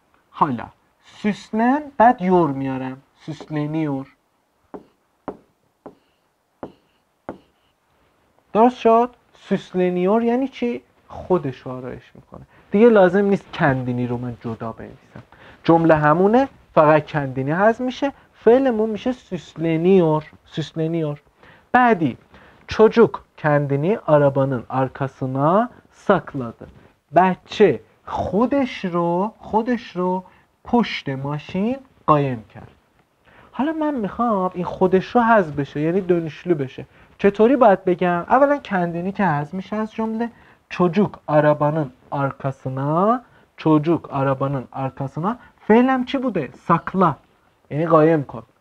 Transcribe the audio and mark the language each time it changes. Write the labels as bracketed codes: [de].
[fa] حالا süslen بعد یور میارم، süsleniyor، درست شد؟ süsleniyor یعنی چی؟ خودش آرایش میکنه دیگه، لازم نیست کندینی رو من جدا بنویسم، جمله همونه، فقط کندینی هضم میشه، فعلمون میشه süsleniyor. [tr] süsleniyor. بعدی çocuk kendini arabanın arkasına sakladı. [fa] بچه خودش رو پشت ماشین قایم کرد. حالا من میخوام این خودش رو حذف بشه، یعنی دونشلو بشه. چطوری باید بگم؟ اولا کندنی که حذف میشه از جمله. [tr] چوجوک آرابانن آرکاسنا [fa] فعلم چی بوده؟ ساکلا یعنی قایم کن.